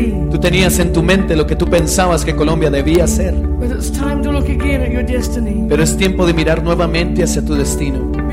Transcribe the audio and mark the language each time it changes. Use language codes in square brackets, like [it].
[es] Tú tenías en tu mente lo que tú pensabas que Colombia debía ser. [en] But it's time to look again at your destiny. [es] Pero es tiempo de mirar nuevamente hacia tu destino.